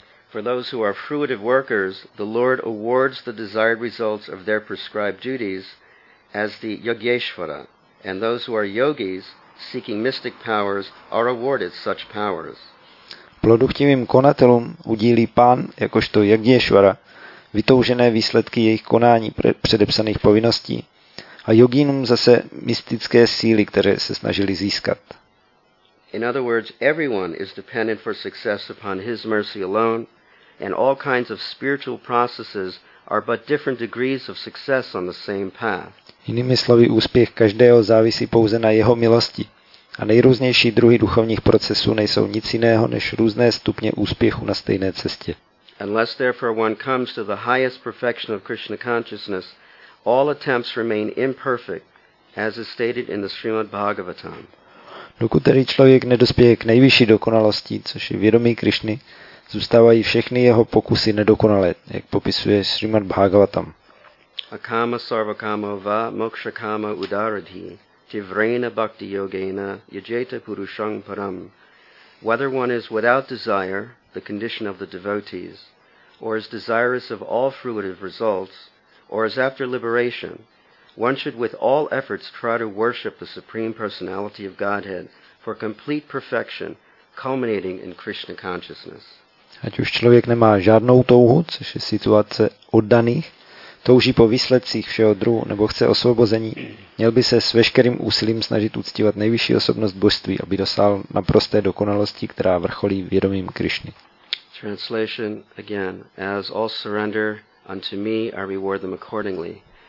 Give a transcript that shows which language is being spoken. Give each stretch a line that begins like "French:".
English: For those who are fruitive workers, the Lord awards the desired results of their prescribed duties as the Yogeshwara, and those who are yogis seeking mystic powers are awarded such powers.
Czech: Produktivním konatelům udílí pán jakožto Yogeshwara vytoužené výsledky jejich konání předepsaných povinností a jogínům zase mystické síly, které se snažili získat.
English: In other words, everyone is dependent for success upon his mercy alone. And all kinds of spiritual processes are but different degrees of success on the same path.
Czech: Jinými slovy, úspěch každého závisí pouze na jeho milosti. A nejrůznější druhy duchovních procesů nejsou nic jiného než různé stupně úspěchu na stejné cestě.
English: Unless therefore one comes to the highest perfection of Krishna consciousness, all attempts remain imperfect, as is stated in the Srimad Bhagavatam.
Czech: Dokud tedy člověk nedospěje k nejvyšší dokonalosti, což je vědomí Krishny, zůstávají všechny jeho pokusy nedokonalé, jak popisuje Srimad Bhagavatam.
Sanskrit: Akama sarvakama va moksha kama udaradhi tivrena bhakti yogena yajeta purushang param.
English: Whether one is without desire, the condition of the devotees, or is desirous of all fruitive results, or is after liberation, one should with all efforts try to worship the Supreme Personality of Godhead for complete perfection, culminating in Krishna consciousness.
Czech: Ať už člověk nemá žádnou touhu, což je situace oddaných, touží po výsledcích všeho druhu nebo chce osvobození, měl by se s veškerým úsilím snažit uctívat nejvyšší osobnost božství, aby dosáhl naprosté dokonalosti, která vrcholí vědomím Krišny.
English: Translation again. As all surrender unto me, I reward them accordingly.